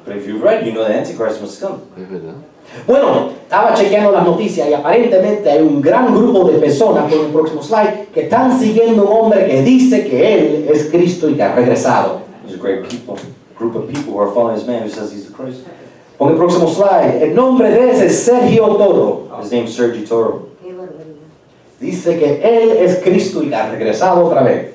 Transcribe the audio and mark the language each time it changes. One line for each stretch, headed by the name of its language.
English: But if you've read, you know the antichrist must come.
Spanish: Bueno, estaba chequeando las noticias y aparentemente hay un gran grupo de personas, por el próximo slide, que están siguiendo un hombre que dice que él es Cristo y que ha regresado.
English: There's a great people, group of people who are following this man who says he's the Christ.
Spanish: Con el próximo slide, el nombre de ese es Sergio Toro.
English: His name is Sergio Toro.
Spanish: Dice que él es Cristo y ha regresado otra vez.